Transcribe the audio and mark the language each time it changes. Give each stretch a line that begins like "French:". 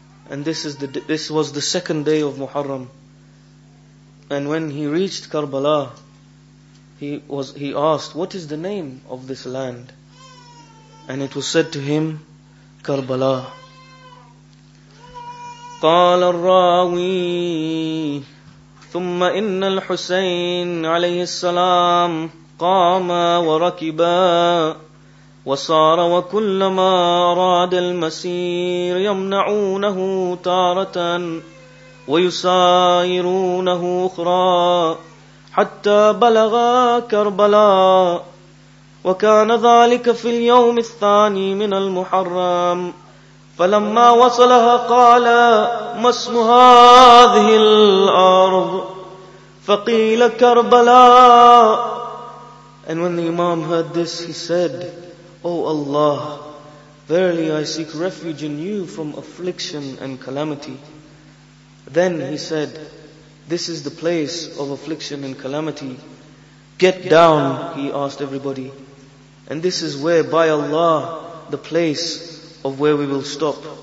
English: And this was the second day of Muharram. And when he reached Karbala, he asked, "What is the name of this land?" And it was said to him, "Karbala."
Arabic: قال الراوي ثم إن الحسين عليه السلام قام وركب وصار وكلما أراد المسير يمنعونه تارة ويسايرونه أخرى حتى بلغ كربلاء وكان ذلك في اليوم الثاني من المحرم فلما وصلها قال ما اسم هذه الأرض فقيل كربلاء.
English: And when the Imam heard this, he said, "O Allah, verily I seek refuge in you from affliction and calamity." Then he said, "This is the place of affliction and calamity. Get down," he asked everybody. "And this is where, by Allah, the place of where we will stop.